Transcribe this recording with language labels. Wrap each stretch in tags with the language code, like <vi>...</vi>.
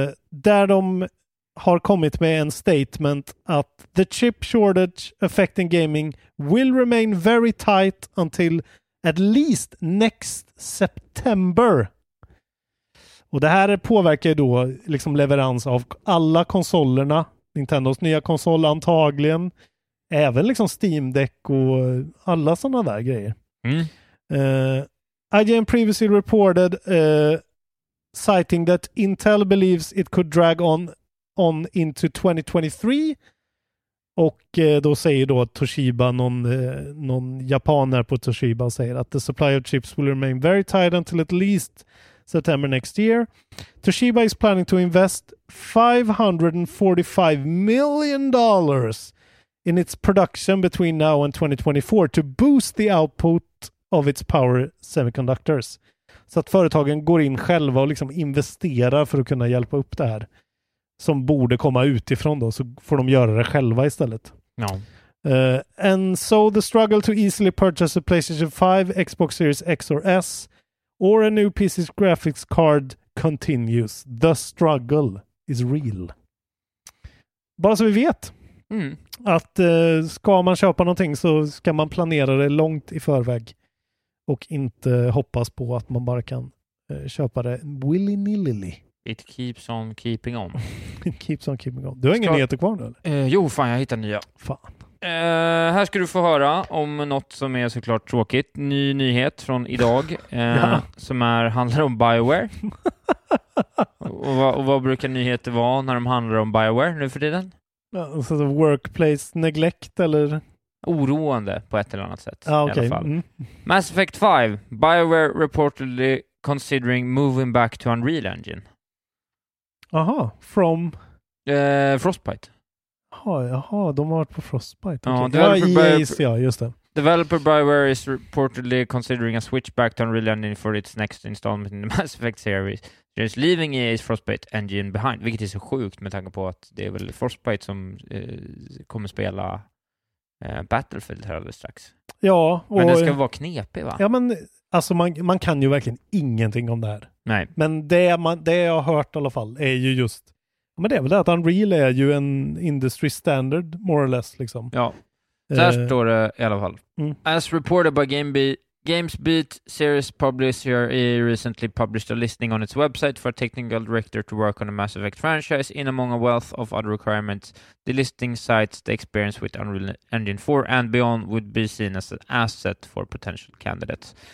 <sv>Där de har kommit med en statement att</sv> <en>the chip shortage affecting gaming will remain very tight until at least next September.</en> <sv>Och det här påverkar ju då liksom leverans av alla konsolerna. Nintendos nya konsol antagligen. Även liksom Steam Deck och alla sådana där grejer.</sv> <en>IGN previously reported citing that Intel believes it could drag on into 2023.</en> <sv>Och då säger då Toshiba, någon japan här på Toshiba säger att</sv> <en>the supply of chips will remain very tight until at least September next year. Toshiba is planning to invest $545 million in its production between now and 2024 to boost the output of its power semiconductors.</en> <sv>Så att företagen går in själva och liksom investerar för att kunna hjälpa upp det här som borde komma utifrån då, så får de göra det själva istället. Ja.</sv> <en>And so the struggle to easily purchase a PlayStation 5, Xbox Series X or S or a new PC graphics card continues. The struggle is real.</en> <sv>Bara så vi vet.</sv> <en>Att ska man köpa någonting så ska man planera det långt i förväg och inte hoppas på att man bara kan köpa det willy-nilly. It keeps on keeping on. It keeps on keeping on.</en> <sv>Du har ingen nyheter kvar nu eller? Jo, fan, jag hittar nya. Fan. Här ska du få höra om något som är såklart tråkigt. Ny nyhet från idag ja. Som handlar om BioWare. och vad brukar nyheter vara när de handlar om BioWare nu för tiden? Så</sv> <en>workplace neglect</en> <sv>eller? Oroande på ett eller annat sätt. Ah, okay. I alla fall. Mass Effect 5.</sv> <en>BioWare reportedly considering moving back to Unreal Engine. Aha, from? Frostbite.</en> <sv>Jaha, de har varit på Frostbite. Okay. Ja, just det.</sv> <en>Developer BioWare is reportedly considering a switch back to Unreal Engine for its next installment in the Mass Effect series. Just leaving EA's Frostbite engine behind.</en> <sv>Vilket är så sjukt med tanke på att det är väl Frostbite som kommer spela Battlefield här alldeles strax. Ja. Och, men det ska vara knepig, va? Ja, men alltså man kan ju verkligen ingenting om det här. Nej. Men det jag har hört i alla fall är ju just, men det är väl det att Unreal är ju en</sv> <en>industry standard, more or less,</en> <sv>liksom. Ja. Så här står det i alla fall. Mm.</sv> <en>As reported by GamesBeat, Series Publisher EA recently published a listing on its website for a technical director to work on a Mass Effect franchise in among a wealth of other requirements. The listing cites the experience with Unreal Engine 4 and beyond would be seen as an asset for potential candidates.</en>